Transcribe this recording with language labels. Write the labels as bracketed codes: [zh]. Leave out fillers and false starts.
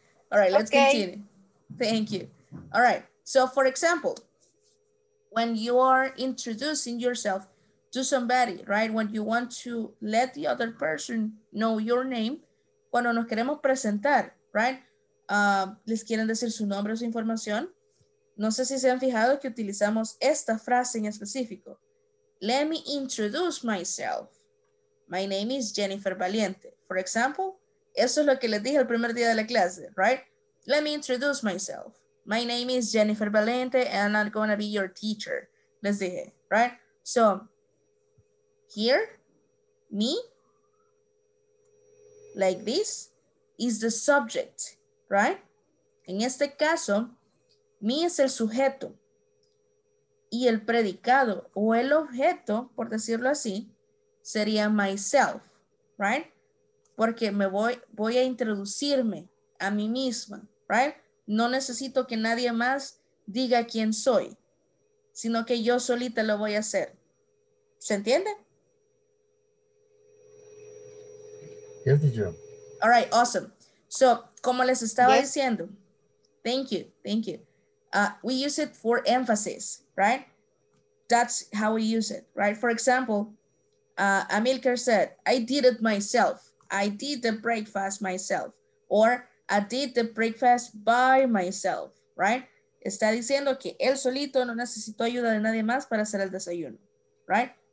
[en] All right, let's continue. Thank you. All right, so for example, when you are introducing yourself to somebody, right, when you want to let the other person know your name, [es] cuando nos queremos presentar, [en] right, [es] les quieren decir su nombre o su información, no sé si se han fijado que utilizamos esta frase en específico. [en] Let me introduce myself. My name is Jennifer Valiente. For example, [es] eso es lo que les dije el primer día de la clase, right? [en] Let me introduce myself. My name is Jennifer Valente and I'm going to be your teacher. [es] Les dije, [en] right? So, here, me, like this, is the subject, right? [es] En este caso, me es el sujeto. Y el predicado o el objeto, por decirlo así, sería myself, right? Porque me voy a introducirme a mí misma, right? No necesito que nadie más diga quién soy, sino que yo solita lo voy a hacer. ¿Se entiende? [en] Yes, teacher. All right, awesome. So, [es] como les estaba diciendo, [en] thank you. We use it for emphasis, right? That's how we use it, right? For example, Amilcar said, I did it myself. I did the breakfast myself, or I did the breakfast by myself, right? [es] Está diciendo que él solito no necesitó ayuda de nadie más para hacer el desayuno, right?